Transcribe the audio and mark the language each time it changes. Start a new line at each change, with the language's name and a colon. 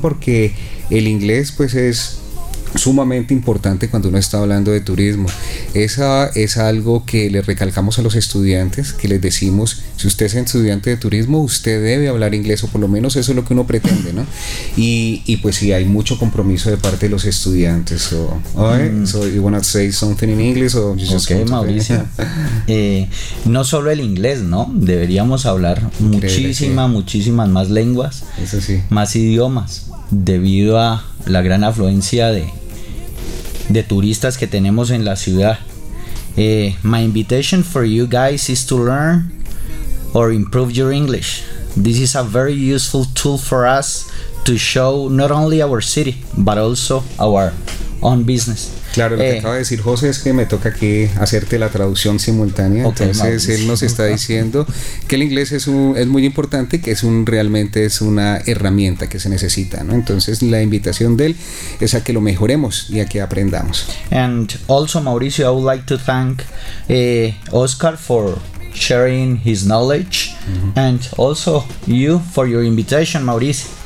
Spanish: Porque el inglés pues es sumamente importante cuando uno está hablando de turismo. Esa es algo que le recalcamos a los estudiantes, que les decimos, si usted es estudiante de turismo, usted debe hablar inglés, o por lo menos eso es lo que uno pretende, ¿no? Y pues sí, hay mucho compromiso de parte de los estudiantes.
English: So, so you wanna say something in English? Or you just okay,
Spanish: Mauricio. No solo el inglés, ¿no? Deberíamos hablar muchísimas más lenguas, eso sí, más idiomas, debido a la gran afluencia de turistas que tenemos en la ciudad.
English: My invitation for you guys is to learn or improve your English. This is a very useful tool for us to show not only our city, but also our own business.
Spanish: Claro, lo que acaba de decir José es que me toca aquí hacerte la traducción simultánea. Okay, entonces Mauricio, él nos está diciendo que el inglés es muy importante, que es una herramienta que se necesita, ¿no? Entonces la invitación de él es a que lo mejoremos y a que aprendamos.
English: And also, Mauricio, I would like to thank Oscar for sharing his knowledge, uh-huh, and also you for your invitation, Mauricio.